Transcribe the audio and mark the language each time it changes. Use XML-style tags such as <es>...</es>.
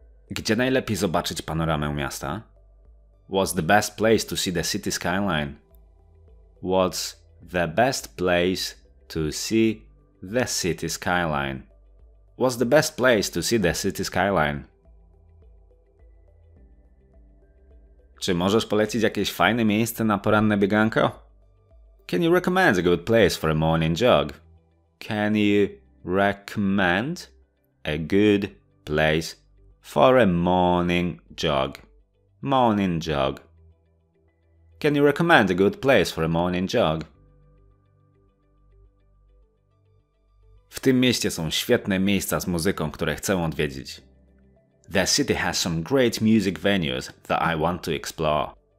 <pl>Gdzie najlepiej zobaczyć panoramę miasta?</pl> <en>What's the best place to see the city skyline? What's the best place to see the city skyline? What's the best place to see the city skyline?</en> <pl>Czy możesz polecić jakieś fajne miejsce na poranne bieganko?</pl> <en>Can you recommend a good place for a morning jog? Can you recommend a good place for a morning jog? Morning jog. Can you recommend a good place for a morning jog?</en> <pl>W tym mieście są świetne miejsca z muzyką, które chcę odwiedzić.</pl> <en>The city has some great music venues that I want to explore.</en>